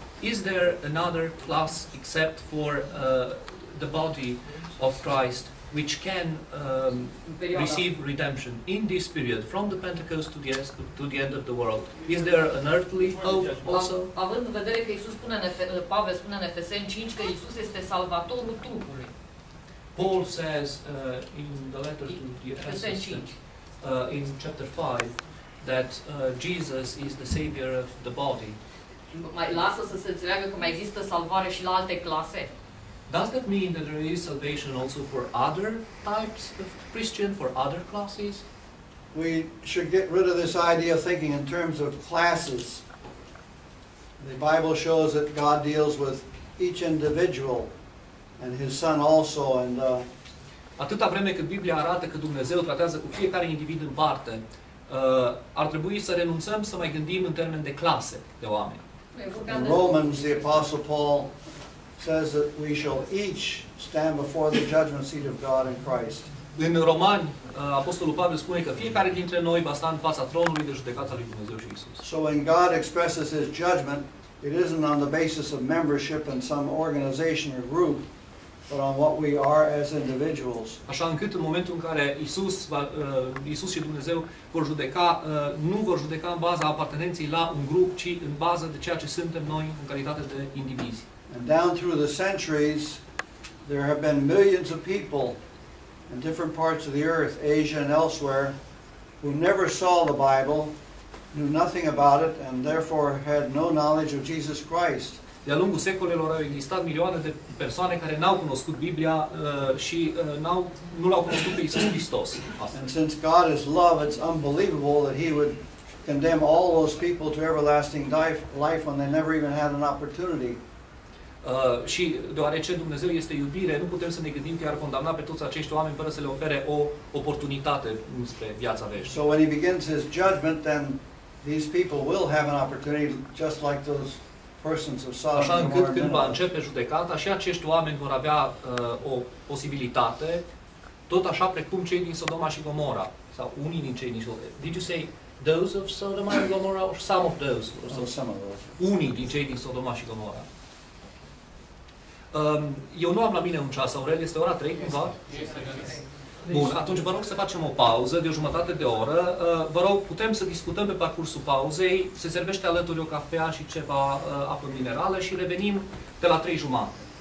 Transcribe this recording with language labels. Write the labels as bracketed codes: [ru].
[en] Is there another class except for the body of Christ which can receive redemption in this period, from the Pentecost to the end of the world? Is there an earthly hope also? [ro] Având în vedere că Iisus spune, Pavel spune în Efeseni 5 că Iisus este salvatorul trupului. [en] Paul says in the letter to the Ephesians, in chapter 5, that Jesus is the savior of the body. [ro] Mai lasă să se înțeleagă că mai există salvare și la alte clase. [en] Does that mean that there is salvation also for other types of Christian, for other classes? We should get rid of this idea of thinking in terms of classes. The Bible shows that God deals with each individual. And his son also, and [ro] atâta vreme cât Biblia arată că Dumnezeu tratează cu fiecare individ în parte, ar trebui să renunțăm să mai gândim în termen de clase de oameni. [en] In Romans, the Apostle Paul says that we shall each stand before the judgment seat of God in Christ. [ro] În Romani, Apostolul Pavel spune că fiecare dintre noi va sta în fața tronului de judecată al lui Dumnezeu și Iisus. [en] So when God expresses his judgment, it isn't on the basis of membership in some organization or group, but on what we are as individuals. [ro] Așa încât în momentul în care Iisus și Dumnezeu vor judeca, nu vor judeca în baza apartenenței la un grup, ci în baza de ceea ce suntem noi în calitate de indivizi. [en] And down through the centuries, there have been millions of people in different parts of the earth, Asia and elsewhere, who never saw the Bible, knew nothing about it, and therefore had no knowledge of Jesus Christ. [ro] De-a lungul secolelor au existat milioane de persoane care n-au cunoscut Biblia și nu l-au cunoscut pe Iisus Hristos. [en] And since God is love, it's unbelievable that he would condemn all those people to everlasting life when they never even had an opportunity. [ro] Și deoarece Dumnezeu este iubire, nu putem să ne gândim că ar condamna pe toți acești oameni fără să le ofere o oportunitate spre viața veșnică. [en] So when he begins his judgment, then these people will have an opportunity just like those persons of sovereign [ro] Așa încât când va începe judecata și acești oameni vor avea o posibilitate, tot așa precum cei din Sodoma și Gomora, sau unii din cei din Sodoma. [en] Did you say those of Sodoma and Gomorrah or some of those? Or some of those. [ro] Unii din cei din Sodoma și Gomora. Eu nu am la mine un ceas, Aurel, este ora 3 cumva? Bun, atunci vă rog să facem o pauză de o jumătate de oră. Vă rog, putem să discutăm pe parcursul pauzei, se servește alături o cafea și ceva apă minerală și revenim de la 3 jumătate.